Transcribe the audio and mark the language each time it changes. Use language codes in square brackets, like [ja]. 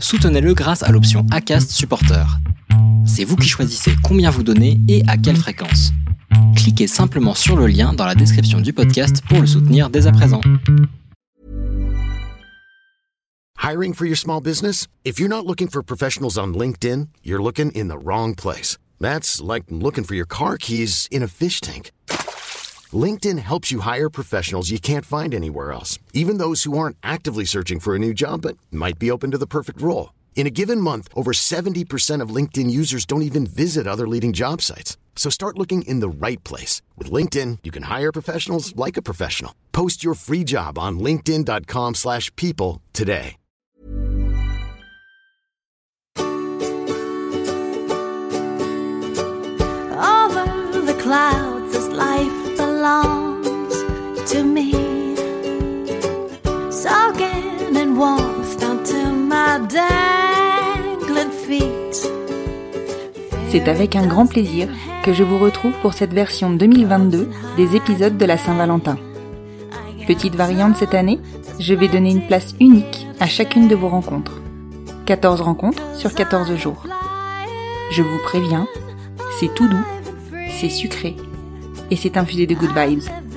[fr] Soutenez-le grâce à l'option Acast Supporter. C'est vous qui choisissez combien vous donnez et à quelle fréquence. Cliquez simplement sur le lien dans la description du podcast pour le soutenir dès à présent. [en] Hiring for your small business? If you're not looking for professionals on LinkedIn, you're looking in the wrong place. That's like looking for your car keys in a fish tank. LinkedIn helps you hire professionals you can't find anywhere else, even those who aren't actively searching for a new job but might be open to the perfect role. In a given month, over 70% of LinkedIn users don't even visit other leading job sites. So start looking in the right place. With LinkedIn, you can hire professionals like a professional. Post your free job on linkedin.com/people today. Over the clouds, this life belongs to me. Soaking in warmth down to my dangling feet. [fr] C'est avec un grand plaisir que je vous retrouve pour cette version 2022 des épisodes de la Saint-Valentin. Petite variante cette année, je vais donner une place unique à chacune de vos rencontres. 14 rencontres sur 14 jours. Je vous préviens, c'est tout doux, c'est sucré et c'est infusé de [en] good vibes.